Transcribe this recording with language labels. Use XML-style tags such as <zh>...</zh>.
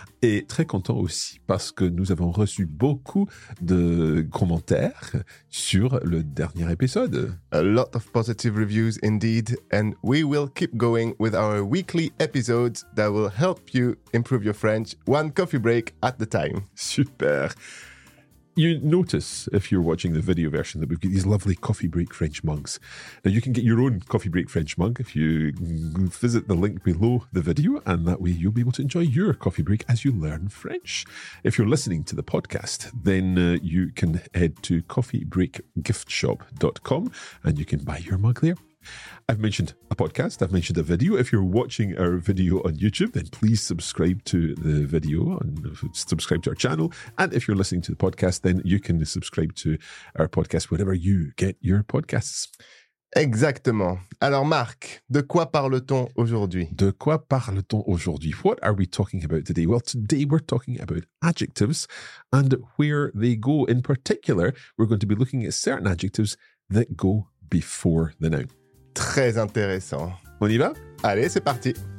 <fr>Et très content aussi parce que nous avons reçu beaucoup de commentaires sur le dernier épisode.</fr> <en>A lot of positive reviews indeed. And we will keep going with our weekly episodes that will help you improve your French one coffee break at a time.</en> <fr>Super.</fr> <en>You notice, if you're watching the video version, that we've got these lovely Coffee Break French mugs. Now, you can get your own Coffee Break French mug if you visit the link below the video, and that way you'll be able to enjoy your coffee break as you learn French. If you're listening to the podcast, then you can head to coffeebreakgiftshop.com and you can buy your mug there. I've mentioned a podcast, I've mentioned a video. If you're watching our video on YouTube, then please subscribe to the video and subscribe to our channel. And if you're listening to the podcast, then you can subscribe to our podcast whenever you get your podcasts.</en> <fr>Exactement. Alors Marc, de quoi parle-t-on aujourd'hui? De quoi parle-t-on aujourd'hui?</fr> <en>What are we talking about today? Well, today we're talking about adjectives and where they go. In particular, we're going to be looking at certain adjectives that go before the noun.</en> <fr>Très intéressant. On y va? Allez, c'est parti.</fr>